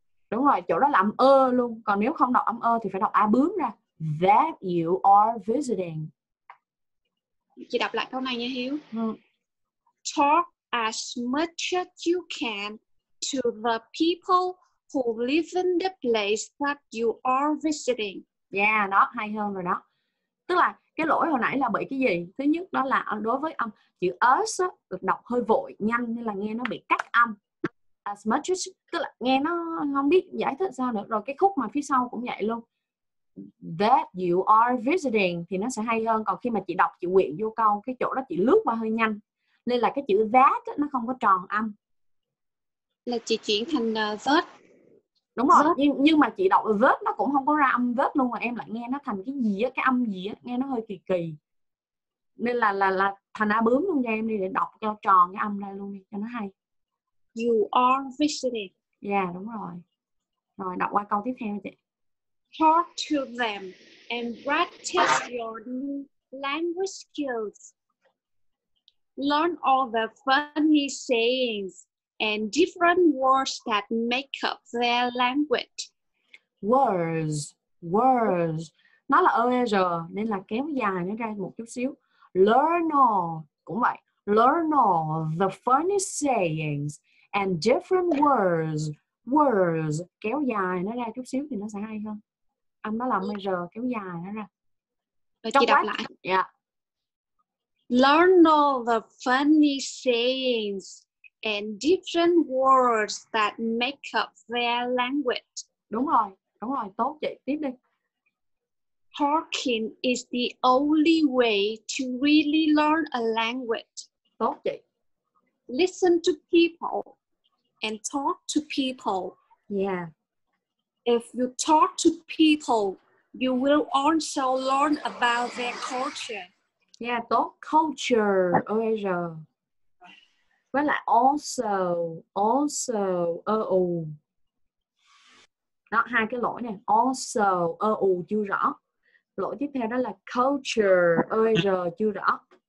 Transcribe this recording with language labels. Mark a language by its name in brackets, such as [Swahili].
[Vietnamese] Đúng rồi, chỗ đó là âm ơ luôn. Còn nếu không đọc âm ơ thì phải đọc a bướm ra. [English] That you are visiting. [Vietnamese] Chị đọc lại câu này nha Hiếu. [English] Talk as much as you can to the people who live in the place that you are visiting. [Vietnamese] Yeah, đó, hay hơn rồi đó. Tức là cái lỗi hồi nãy là bị cái gì? Thứ nhất đó là đối với âm chữ us được đọc hơi vội, nhanh nên là nghe nó bị cắt âm. [English] As much as, [Vietnamese] tức là nghe nó không biết giải thích sao nữa. Rồi cái khúc mà phía sau cũng vậy luôn. [English] That you are visiting [Vietnamese] thì nó sẽ hay hơn. Còn khi mà chị đọc chị quyện vô câu, cái chỗ đó chị lướt qua hơi nhanh, nên là cái chữ that nó không có tròn âm. Là chị chuyển thành that. Đúng rồi, that. Nhưng mà chị đọc that nó cũng không có ra âm that luôn, mà em lại nghe nó thành cái gì á, cái âm gì á, nghe nó hơi kỳ. Nên là thành a bướm luôn nha em đi, để đọc cho tròn cái âm ra luôn đi, cho nó hay. [English] You are visiting. Yeah, đúng rồi. [Vietnamese] Rồi, đọc qua câu tiếp theo chị. [English] Talk to them and practice your new language skills. Learn all the funny sayings and different words that make up their language. Words. [Vietnamese] Nó là ER, nên là kéo dài nó ra một chút xíu. [English] Learn all, [Vietnamese] cũng vậy. [English] Learn all the funny sayings and different words, [Vietnamese] kéo dài nó ra chút xíu thì nó sẽ hay hơn. Âm nó là major, kéo dài nó ra. Chị đọc lại. [English] Yeah. Learn all the funny sayings and different words that make up their language. [Vietnamese] Đúng rồi, tốt vậy, tiếp đi. [English] Talking is the only way to really learn a language. [Vietnamese] Tốt vậy. [English] Listen to people and talk to people. Yeah. If you talk to people, you will also learn about their culture. [Vietnamese] Yeah, tốt. Culture. Okay, rồi. Với lại also, also, Đó, hai cái lỗi này. Also, chưa rõ. Lỗi tiếp theo đó là culture, chưa rõ.